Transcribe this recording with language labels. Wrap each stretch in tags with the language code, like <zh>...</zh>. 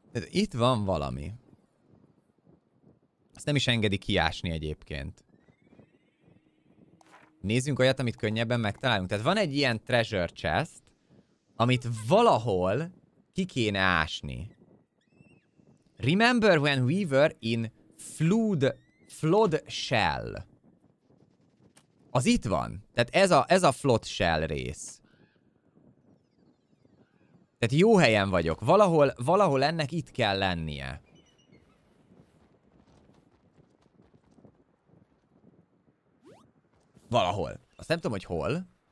<hu>Itt van valami. Ezt nem is engedi kiásni egyébként. Nézzünk olyat, amit könnyebben megtalálunk. Tehát van egy ilyen treasure chest, amit valahol ki kéne ásni.</hu> <en>Remember when we were in flood shell.</en> <hu>Az itt van. Tehát ez a flood shell rész. Tehát jó helyen vagyok. Valahol ennek itt kell lennie. Valahol. Azt nem tudom, hogy hol.</hu>